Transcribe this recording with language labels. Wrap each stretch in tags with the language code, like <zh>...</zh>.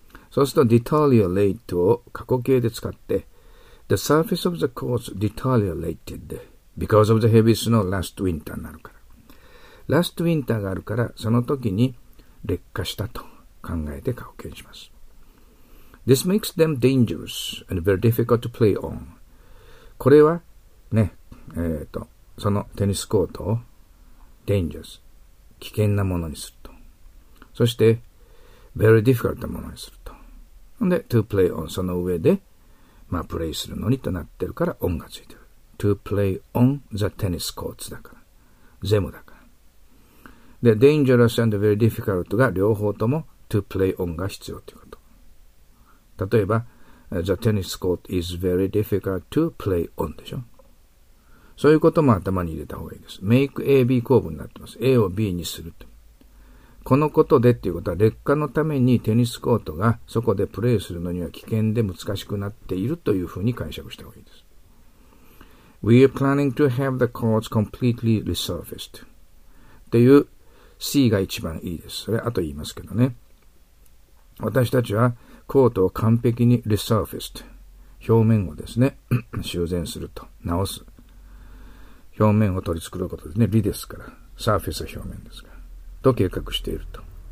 <en>そうすると deteriorate を過去形で使って、 The surface of the course deteriorated because of the heavy snow last winter になるから。</en> <ja>ラストウィンターがあるから、その時に劣化したと考えて保険します。</ja> <en>This makes them dangerous and very difficult to play on.</en> <ja>これはね、そのテニスコートを dangerous、危険なものにすると。そして very difficult なものにすると。ほんで to play on、その上でまあプレイするのにとなってるから on がついてる。 to play on the tennis courts だから。ゼムだから。で、 dangerous and very difficult が両方とも to play on が必要ということ。</ja> <en>例えば、 The tennis court is very difficult to play on でしょ。</en> <ja>そういうことも頭に入れた方がいいです。Make A, B 構文になってます。 A を B にすると。このことでっていうことは、劣化のためにテニスコートがそこでプレイするのには危険で難しくなっているというふうに解釈した方がいいです。</ja> <en>We are planning to have the courts completely resurfaced.</en> <ja>っていう C が一番いいです。それ後言いますけどね。私たちは、コートを完璧に resurfaced、 表面をですね修繕すると、直す、表面を取り繕うことですね。リですから、サーフェスは表面ですから、と計画していると。</ja>